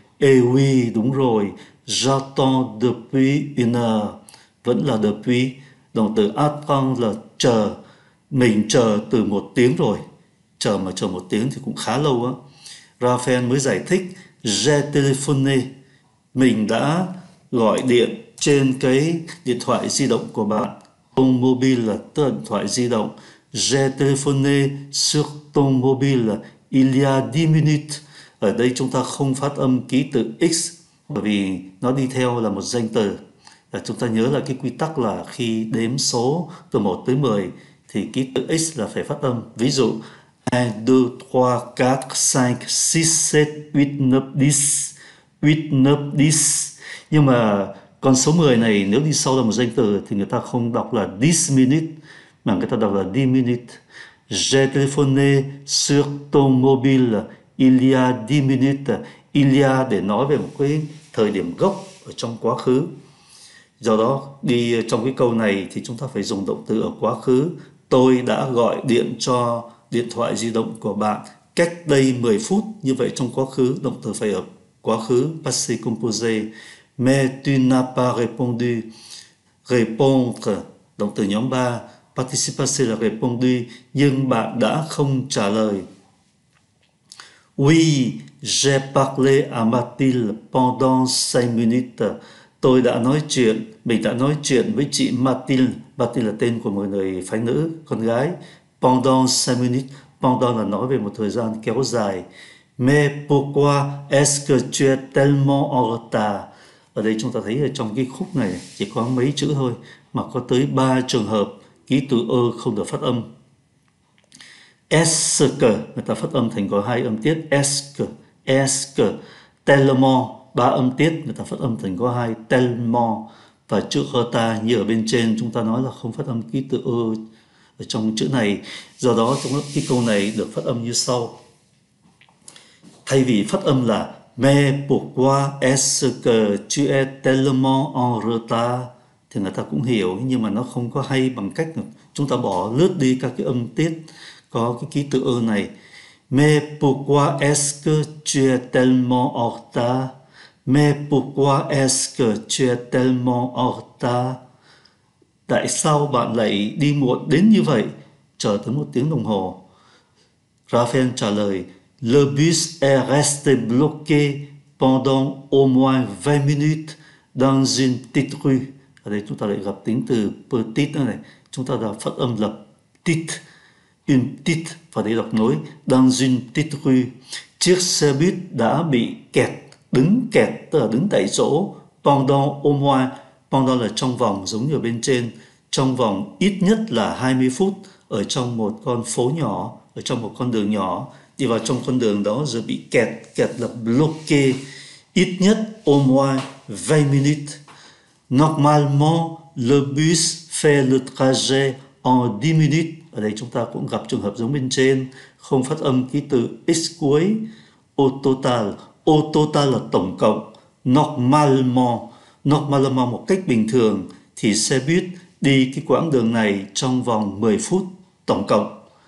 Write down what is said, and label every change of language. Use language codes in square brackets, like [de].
[fr] Eh oui, [vi] đúng rồi. [fr] J'attends depuis une heure. [vi] Vẫn là depuis. Động từ attendre là chờ. Mình chờ từ một tiếng rồi. Chờ mà chờ một tiếng thì cũng khá lâu á. Raphael mới giải thích. [fr] J'ai téléphoné. [vi] Mình đã gọi điện trên cái điện thoại di động của bạn. [fr] Ton mobile [vi] là điện thoại di động. [fr] J'ai téléphoné sur ton mobile il y a 10 minutes. [vi] Ở đây chúng ta không phát âm ký tự X bởi vì nó đi theo là một danh từ. Chúng ta nhớ là cái quy tắc là khi đếm số từ 1 tới 10 thì ký tự X là phải phát âm. Ví dụ 1, 2, 3, 4, 5, 6, 7, 8, 9, 10. 8, 9, 10. Nhưng mà con số 10 này nếu đi sau là một danh từ thì người ta không đọc là this minute mà người ta đọc là 10 minutes. [fr] J'ai téléphoné sur ton mobile il y a 10 minutes. [vi] Il y a để nói về một cái thời điểm gốc ở trong quá khứ. Do đó đi trong cái câu này thì chúng ta phải dùng động từ ở quá khứ. Tôi đã gọi điện cho điện thoại di động của bạn cách đây 10 phút. Như vậy trong quá khứ động từ phải ở quá khứ passé composé. [fr] Mais tu n'as pas répondu. Répondre, [vi] động từ nhóm 3. Participe passé là répondu. Nhưng bạn đã không trả lời. [fr] Oui, j'ai parlé à Mathilde pendant 5 minutes. [vi] Tôi đã nói chuyện, mình đã nói chuyện với chị Mathilde. Mathilde là tên của một người phái nữ, con gái. [fr] Pendant 5 minutes. [vi] Pendant là nói về một thời gian kéo dài. [fr] Mais pourquoi est-ce que tu es tellement en retard? [vi] Ở đây chúng ta thấy ở trong cái khúc này chỉ có mấy chữ thôi mà có tới 3 trường hợp ký tự ơ không được phát âm. Esque, người ta phát âm thành có 2 âm tiết. Esque, tellement, 3 âm tiết, người ta phát âm thành có 2, tellement. Và chữ hota như ở bên trên chúng ta nói là không phát âm ký tự ơ ở trong chữ này. Do đó trong cái câu này được phát âm như sau. Thay vì phát âm là [fr] Mais pourquoi est-ce que tu es tellement en retard? [vi] Thì người ta cũng hiểu, nhưng mà nó không có hay bằng cách chúng ta bỏ lướt đi các cái âm tiết có cái ký tự ơ này. [fr] Mais pourquoi est-ce que tu es tellement en retard? Mais pourquoi est-ce que tu es tellement en retard? [vi] Tại sao bạn lại đi muộn đến như vậy? Chờ tới 1 tiếng đồng hồ. Raphael trả lời, [fr] Le bus est resté bloqué pendant au moins 20 minutes dans une petite rue. [vi] Ở đây chúng ta lại gặp tính từ petite này. Chúng ta đã phát âm là petite. Une petite, và để đọc nối, [fr] dans une petite rue. [vi] Chiếc xe buýt đã bị kẹt, đứng kẹt, tức là đứng tại chỗ. Pendant au moins, pendant là trong vòng, giống như ở bên trên. Trong vòng ít nhất là 20 phút, ở trong một con phố nhỏ, ở trong một con đường nhỏ. Đi vào trong con đường đó rồi bị kẹt, kẹt là bloqué. Ít nhất, [fr] au moins, 20 minutes. Normalement, le bus fait le trajet en 10 minutes. [vi] Ở đây chúng ta cũng gặp trường hợp giống bên trên, không phát âm ký tự X cuối. Au total là tổng cộng. Normalement một cách bình thường thì xe buýt đi cái quãng đường này trong vòng 10 phút tổng cộng.